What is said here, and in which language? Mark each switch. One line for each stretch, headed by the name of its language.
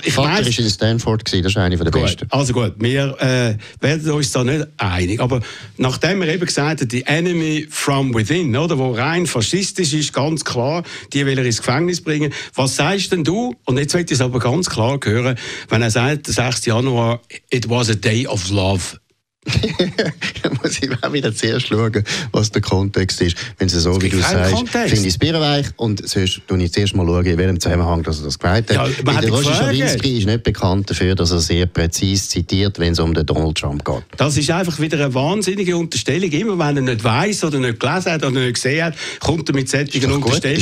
German: Ich war in Stanford, das ist eine von der Besten. Also gut, wir werden uns da nicht einig. Aber nachdem wir eben gesagt haben, die Enemy from within, oder, wo rein faschistisch ist, ganz klar, die will er ins Gefängnis bringen. Was sagst denn du? Und jetzt wird es aber ganz klar hören, wenn er sagt, der 6.
English: Januar, it was a day of love.
German: Da muss ich auch wieder zuerst schauen, was der Kontext ist. Wenn es so wie du sagst, finde ich es birnweich. Und sonst schaue ich zuerst mal schauen, in welchem Zusammenhang dass er das gemeint hat. Ja, der Roger Schawinski ist nicht bekannt dafür, dass er sehr präzise zitiert, wenn es um den Donald Trump geht. Das ist einfach wieder eine wahnsinnige Unterstellung. Immer wenn er nicht weiss oder nicht gelesen hat oder nicht gesehen hat, kommt er mit solchen Unterstellungen.